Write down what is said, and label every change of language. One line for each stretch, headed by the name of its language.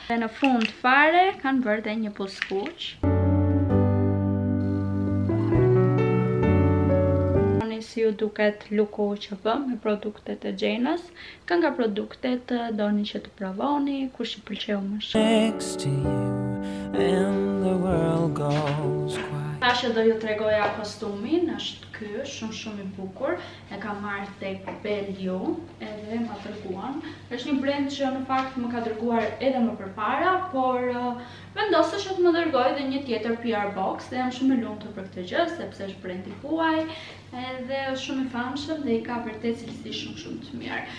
Albanian: Dhe në fund fare, kanë bërë dhe një puskuq. Si ju duket look-u që bëm me produktet e Jenas, kanë nga produktet doni që të provoni, kush i pëlqeu më shumë.
English: Next to you and the world goes quiet.
Albanian: Tashë do ju tregoja kostumin, është ky, shumë shumë i bukur. E kam marrë tek Belju, edhe ma treguan. Është një brand që në fakt më ka treguar edhe më përpara, por vendosë që të më dërgoj dhe një tjetër PR box dhe jam shumë e lumtur për këtë gjë, sepse është brand i huaj edhe është shumë i famshëm dhe i ka vërtet cilësi shumë shumë të mirë.